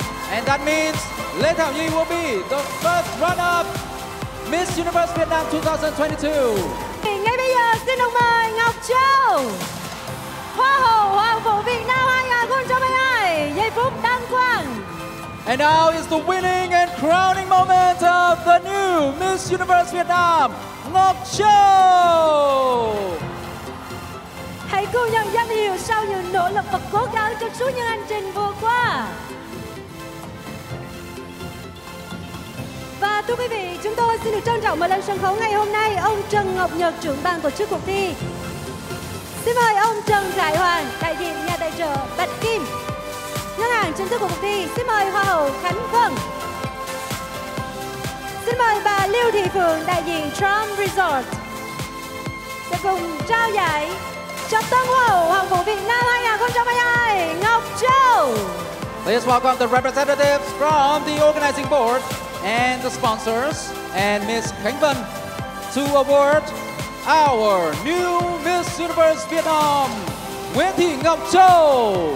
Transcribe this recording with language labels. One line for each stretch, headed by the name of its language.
English: And that means Lê Thảo Nhi will be the first runner-up Miss Universe Vietnam 2022.
Vietnamese: Ngay bây giờ xin được mời Ngọc Châu, Hoa hậu Hoàng vũ Việt Nam 2022, giây phút đăng quang.
English: And now is the winning and crowning moment of the new Miss Universe Vietnam, Ngọc Châu.
Vietnamese: Hãy cùng nhận danh hiệu sau những nỗ lực và cố gắng trong suốt những hành trình vừa qua. Và thưa quý vị, chúng tôi xin được trân trọng mời lên sân khấu ngày hôm nay ông Trần Ngọc Nhật, trưởng ban tổ chức cuộc thi. Xin mời ông Trần Giải Hoàng, đại diện nhà tài trợ Bạch Kim, ngân hàng chính thức của cuộc thi. Xin mời Hoa hậu Khánh Vân. Xin mời bà Lưu Thị Phượng, đại diện Trump Resort, sẽ cùng trao giải cho tân hoa hậu Hoàng vũ Việt Nam 2022, Ngọc Châu.
English: Please welcome the representatives from the organizing board and the sponsors and Miss Khánh Vân to award our new Miss Universe Vietnam, Nguyễn Thị Ngọc Châu.